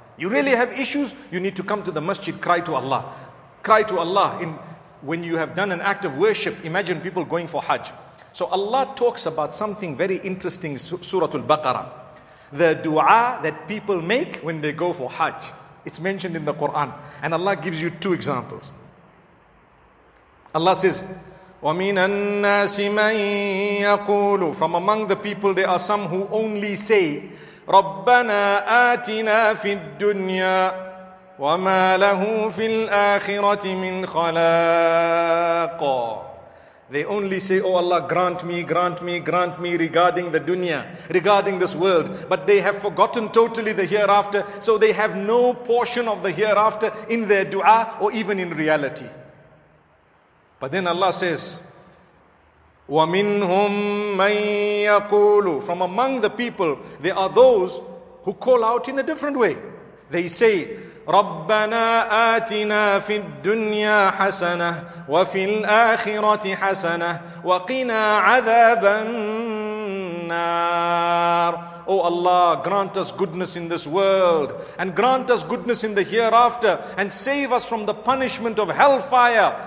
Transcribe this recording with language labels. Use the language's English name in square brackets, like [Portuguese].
[English] You really have issues? You need to come to the masjid. Cry to Allah. Cry to Allah in when you have done an act of worship, imagine people going for Hajj. So Allah talks about something very interesting, Surah Al-Baqarah. The dua that people make when they go for Hajj. It's mentioned in the Quran. And Allah gives you two examples. Allah says, [Arabic] وَمِنَ النَّاسِ مَن يَقُولُ. [English] From among the people, there are some who only say, [Arabic] رَبَّنَا آتِنَا فِي الدُّنْيَا وَمَا لَهُ فِي الْآخِرَةِ مِنْ خَلَاقٍ. [English] They only say, oh Allah, grant me regarding the dunya, regarding this world. But they have forgotten totally the hereafter. So they have no portion of the hereafter in their dua or even in reality. But then Allah says, [Arabic] وَمِنْهُمْ مَنْ يَقُولُ. [English] From among the people, there are those who call out in a different way. They say, [Arabic] رَبَّنَا آتِنَا فِي الدُّنْيَا حَسَنَةً وَفِي الْآخِرَةِ حَسَنَةً وَقِنَا عَذَابَ النَّارِ. [English] Oh Allah, grant us goodness in this world and grant us goodness in the hereafter and save us from the punishment of hellfire.